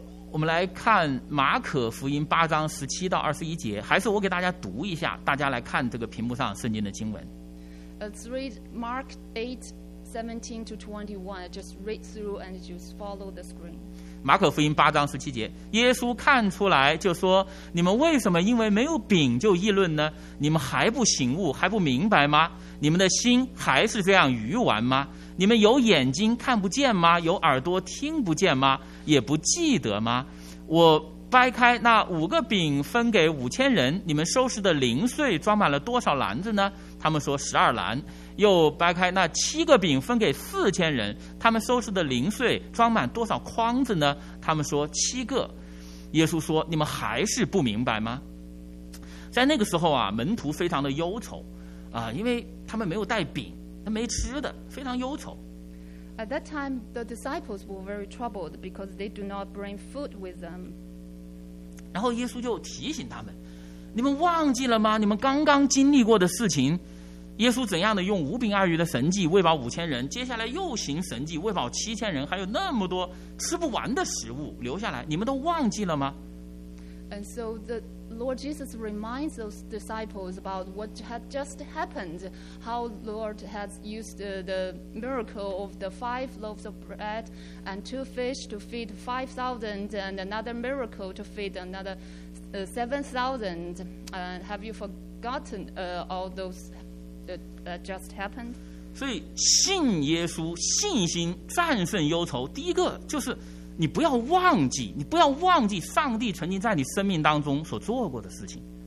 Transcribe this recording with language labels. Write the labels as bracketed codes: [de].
[zh] 我们来看马可福音八章十七到二十一节，还是我给大家读一下，大家来看这个屏幕上圣经的经文。 [en] Let's read Mark 8:17-21. Just read through and just follow the screen. [zh] 马可福音八章十七节，耶稣看出来就说：“你们为什么因为没有饼就议论呢？你们还不醒悟，还不明白吗？你们的心还是这样愚顽吗？你们有眼睛看不见吗？有耳朵听不见吗？也不记得吗？我掰开那五个饼分给五千人，你们收拾的零碎装满了多少篮子呢？他们说十二篮。又掰开那七个饼分给四千人，他们收拾的零碎装满多少筐子呢？他们说七个。耶稣说，你们还是不明白吗？在那个时候啊，门徒非常的忧愁啊，因为他们没有带饼，他没吃的，非常忧愁。 [en] At that time, the disciples were very troubled because they do not bring food with them. [zh] 然后耶稣就提醒他们，你们忘记了吗？你们刚刚经历过的事情，耶稣怎样的用五饼二鱼的神迹喂饱五千人，接下来又行神迹喂饱七千人，还有那么多吃不完的食物留下来，你们都忘记了吗？ [en] And so the Lord Jesus reminds those disciples about what had just happened, how Lord has used the miracle of the five loaves of bread and two fish to feed 5,000, and another miracle to feed another 7,000. Have you forgotten all those? That just happened. [zh] 所以信耶稣，信心战胜忧愁。第一个就是，你不要忘记，你不要忘记上帝曾经在你生命当中所做过的事情。